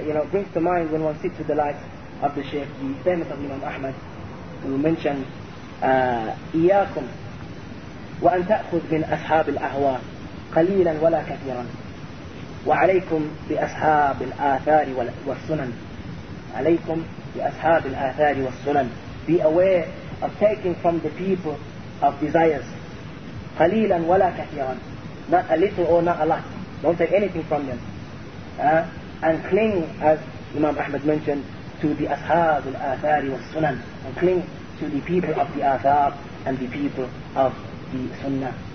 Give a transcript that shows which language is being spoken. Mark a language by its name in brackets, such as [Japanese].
[English] brings to mind when one sits with the likes of the Sheikh, the famous of Imam Ahmad, who mentioned, [Arabic] إياكم وأن تأخذ من أصحاب الأهواء قليلا ولا كثيرا وعليكم بأصحاب الآثار والسنن. عليكم بأصحاب الآثار والسنن. [English] Be aware of taking from the people of desires [Arabic] قليلا ولا كثيرا. [English] Not a little or not a lot. Don't take anything from them. And cling, as Imam Ahmad mentioned, to the [Arabic] Ashab al-Athari wa Sunan, [English] and cling to the people of the Athar and the people of the Sunnah.